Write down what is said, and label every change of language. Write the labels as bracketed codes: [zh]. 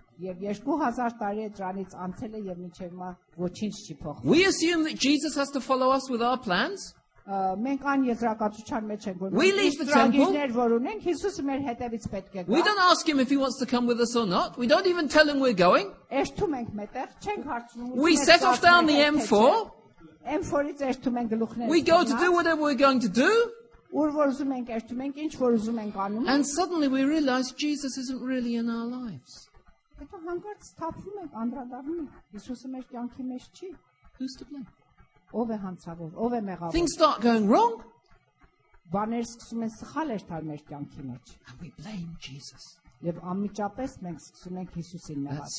[hy] Եվ 2000 տարի է դրանից անցել է եւ մինչեւ հիմա ոչինչ չի փոխվել։ [en] We assume that Jesus has to follow us with our plans. [hy] Մենք ան եզրակացության մեջ ենք, որ մենք ծրագիրներ որ ունենք, Հիսուսը մեր հետևից պետք է գա։ [en] We don't ask him if he wants to come with us or not. We don't even tell him we're going. [hy] Երթում ենք մեթեղ, չենք հարցնում։ [en] We set off down the M4. [hy] M4-ից երթում են գլուխներ։ [en] We go to do whatever we're going to do. [hy] Ուր որ ուզում ենք երթում ենք, ինչ որ ուզում ենք անում։ [en] And suddenly we realize Jesus isn't really in our lives. [hy] Հետո հանկարծ ստափվում ենք, անդրադառնում ենք, Հիսուսը մեր կյանքի մեջ չի։ [en] Who's to blame? [hy] Ո՞վ է հանցավոր, ո՞վ է մեղավոր։ [en] Things start going wrong. [hy] Բաներ սկսում են սխալ երթալ մեր կյանքի մեջ։ [en] And we blame Jesus. [hy] Եվ անմիջապես մենք սկսում ենք Հիսուսին մեղադրել։